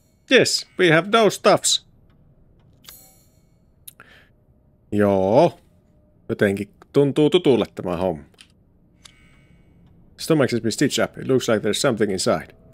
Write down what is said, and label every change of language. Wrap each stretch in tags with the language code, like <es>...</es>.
<en>Yes, we have those stuffs.</en> <fi>Joo. Jotenkin tuntuu tutulle tämä homma.</fi> <en>Stomach has been stitched up. It looks like there's something inside.</en>